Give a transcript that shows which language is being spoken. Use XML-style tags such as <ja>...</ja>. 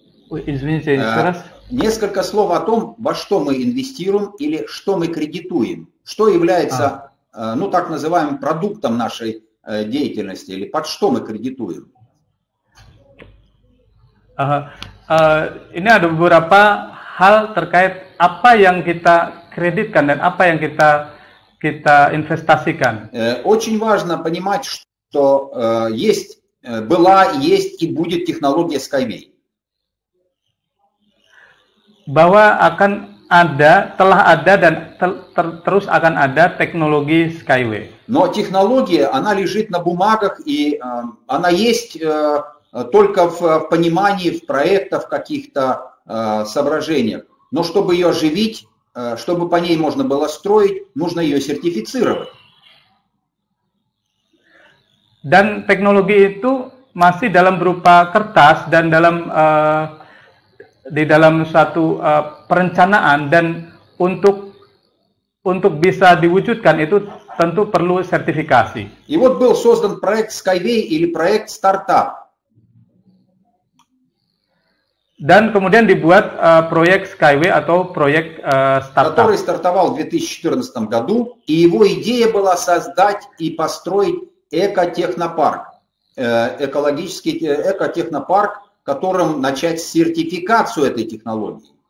<ru>Извините, несколько слов о том, во что мы инвестируем или что мы кредитуем. Что является ну, так называемым продуктом нашей деятельности, или под что мы кредитуем?</ru> <id>Ini ada beberapa hal terkait apa yang kita kreditkan dan apa yang kita investasikan.</id> <ru>Очень важно понимать, что есть, была, есть и будет технология Skyway.</ru> <id>Bahwa akan ada, telah ada dan terus akan ada teknologi Skyway.</id> <ru>Но технология, она лежит на бумагах и она есть только в понимании, в проектах, в каких-то соображениях. Но чтобы ее оживить, чтобы по ней можно было строить, нужно ее сертифицировать.</ru> <id>Dan teknologi itu masih dalam berupa kertas dan dalam di dalam suatu perencanaan dan untuk bisa diwujudkan itu tentu perlu sertifikasi.</id> <ru>И вот был создан проект Skyway или проект стартап.</ru> <id>Dan kemudian dibuat proyek Skyway atau proyek startup.</id> <ru>Который стартовал в 2014 году, и его идея была создать и построить экотехнопарк, экологический экотехнопарк, которым начать сертификацию этой технологии.</ru>